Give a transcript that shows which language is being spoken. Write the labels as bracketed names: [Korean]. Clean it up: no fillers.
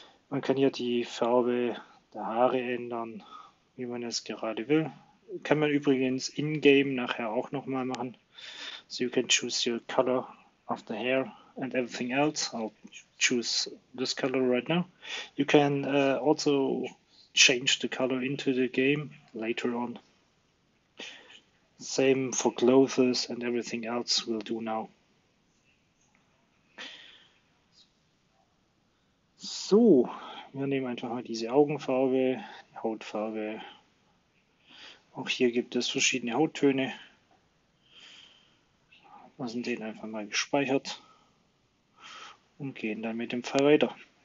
[German] Man kann hier die Farbe der Haare ändern, wie man es gerade will. Kann man übrigens in-game nachher auch nochmal machen. [English] So you can choose your color of the hair. And everything else, I'll choose this color right now. You can also change the color into the game later on. Same for clothes and everything else we'll do now. [German] So, wir nehmen einfach mal diese Augenfarbe, die Hautfarbe. Auch hier gibt es verschiedene Hauttöne. Lassen den einfach mal gespeichert. Und gehen dann mit dem Fall weiter.